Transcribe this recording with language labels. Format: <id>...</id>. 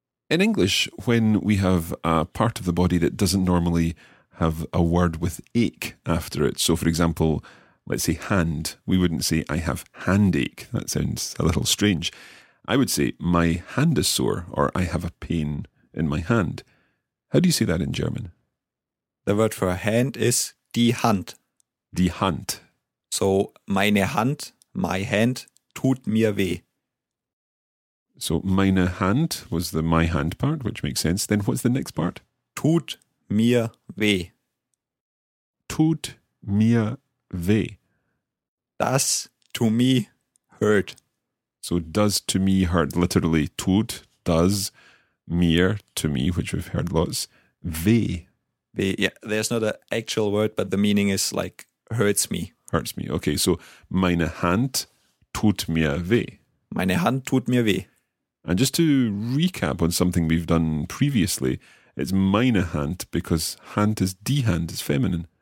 <en>In English, when we have a part of the body that doesn't normally have a word with ache after it, so for example, let's say hand, we wouldn't say I have handache. That sounds a little strange. I would say my hand is sore or I have a pain in my hand. How do you say that in German? The word for hand is die Hand.</en> <de>Die Hand. So meine Hand,</de> <en>my hand,</en> <de>tut mir weh.</de> <en>So meine Hand was the my hand part, which makes sense. Then what's the next part?</en> <de>Tut mir weh. Tut mir weh.</de> <en>Das to me hurt. So does to me hurt, literally tut, does, mir, to me, which we've heard lots, weh. Weh, yeah, there's not an actual word, but the meaning is like hurts me. Hurts me, okay, so</en> <de>meine Hand tut mir weh. Meine Hand tut mir weh.</de> <en>And just to recap on something we've done previously, it's meine Hand because Hand is die Hand, it's feminine.</en>